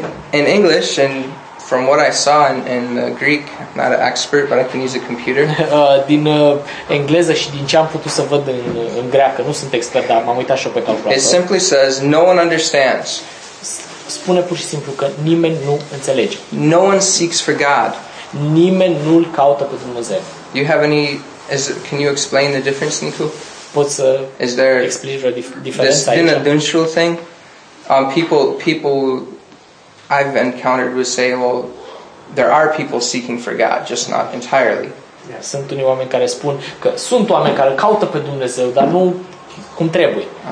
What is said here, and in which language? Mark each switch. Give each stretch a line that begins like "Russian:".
English: In English and from what I saw in Greek, I'm not an expert, but I can use a computer.
Romanian: Din engleză și din ce am putut să văd în greacă, nu sunt expert, dar m-am uitat și eu pe calculator.
English: It simply says, no one understands.
Romanian: Spune pur și simplu că nimeni nu înțelege.
English: No one seeks for God.
Romanian: Nimeni nu-l caută pe Dumnezeu.
English: You have any? Can you explain the difference, Nicu?
Romanian: Poți să explici vreo diferență aici?
English: This dinadunctual thing, people. I've encountered would say, well, there are people seeking for God, just not entirely.
Romanian: Yeah, sunt unii oameni care spun că sunt oameni care caută pe Dumnezeu, dar nu cum trebuie.